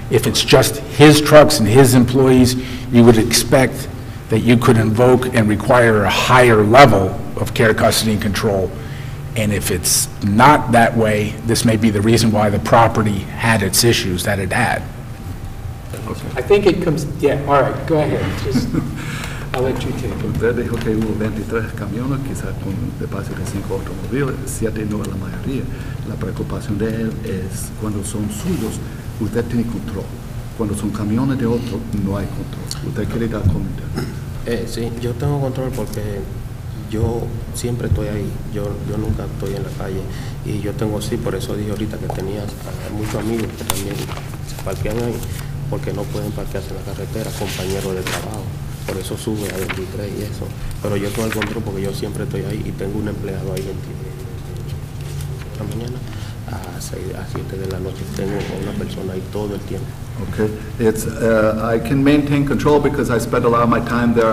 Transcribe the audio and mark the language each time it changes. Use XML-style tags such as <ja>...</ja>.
<en>If it's just his trucks and his employees, you would expect that you could invoke and require a higher level of care, custody, and control. And if it's not that way, this may be the reason why the property had its issues that it had. Okay. I think it comes, yeah, all right, go ahead. I'll let you take it.</en> <es>Usted dijo que hubo 23 camiones, quizás con espacio de 5 automóviles, 7 no es la mayoría. La preocupación de él es cuando son suyos, usted tiene control. Cuando son camiones de otro, no hay control. ¿Usted quiere dar comentario? Sí, yo tengo control porque yo siempre estoy ahí. Yo nunca estoy en la calle. Y yo tengo, sí, por eso dije ahorita que tenía muchos amigos que también se parquean ahí porque no pueden parquearse en la carretera, compañeros de trabajo. Por eso sube a 23 y eso. Pero yo tengo el control porque yo siempre estoy ahí y tengo un empleado ahí en la mañana.</es> <en>Okay, it's I can maintain control because I spend a lot of my time there.</en>